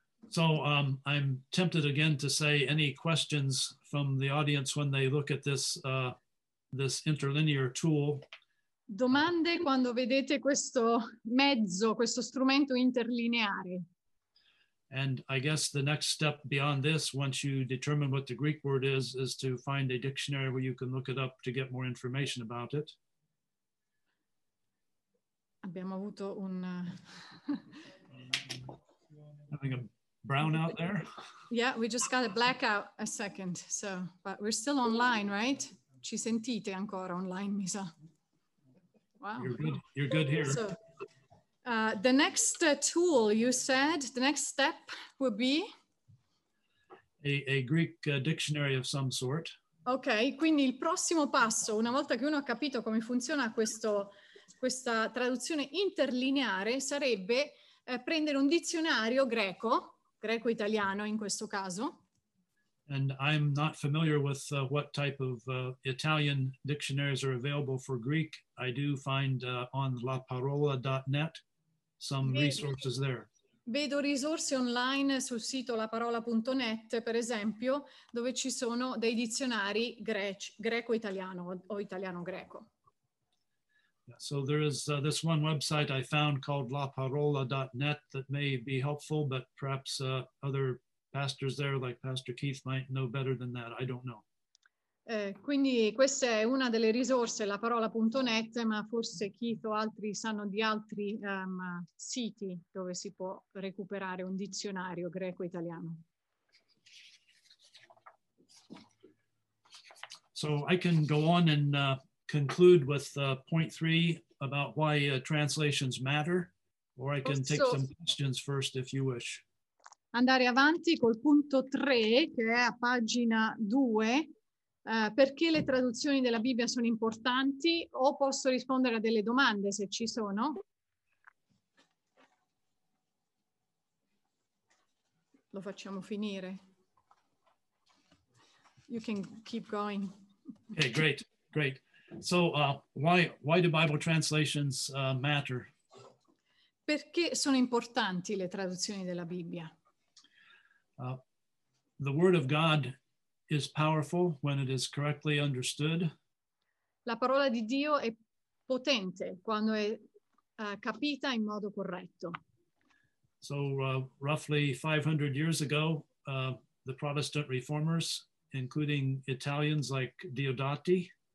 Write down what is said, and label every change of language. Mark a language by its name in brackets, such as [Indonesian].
[English] So I'm tempted again to say any questions from the audience when they look at this this interlinear tool. [Italian] Domande quando vedete questo mezzo, questo strumento interlineare. [English] And I guess the next step beyond this, once you determine what the Greek word is to find a dictionary where you can look it up to get more information about it. [Italian] Abbiamo avuto un [English] having a brownout there. Yeah, we just got a blackout a second. So, but we're still online, right? [Italian] Ci sentite ancora online, mi sa. [English] Wow. You're good here. So, the next tool you said, the next step would be? A Greek dictionary of some sort. [Italian] Ok, quindi il prossimo passo, una volta che uno ha capito come funziona questa traduzione interlineare, sarebbe prendere un dizionario greco-italiano in questo caso. [English] And I'm not familiar with what type of Italian dictionaries are available for Greek. I do find on laparola.net some resources there. [Italian] Vedo risorse online sul sito laparola.net, per esempio, dove ci sono dei dizionari greco-italiano o italiano-greco. [English] So there is this one website I found called laparola.net that may be helpful, but perhaps other pastors there, like Pastor Keith, might know better than that. I don't know. [Italian] Quindi questa è una delle risorse, laparola.net, ma forse Keith o altri sanno di altri siti dove si può recuperare un dizionario greco-italiano. [English] So I can go on and conclude with point three about why translations matter, or I can take some questions first if you wish. [Italian] Andare avanti col punto 3, che è a pagina 2, perché le traduzioni della Bibbia sono importanti, o posso rispondere a delle domande se ci sono? Lo facciamo finire. [English] You can keep going. Okay, great, great. So why do Bible translations matter? [Italian] Perché sono importanti le traduzioni della Bibbia? [English] The word of God is powerful when it is correctly understood. [Italian] La parola di Dio è potente quando è capita in modo corretto. [English] So roughly 500 years ago, the Protestant reformers, including Italians like Diodati.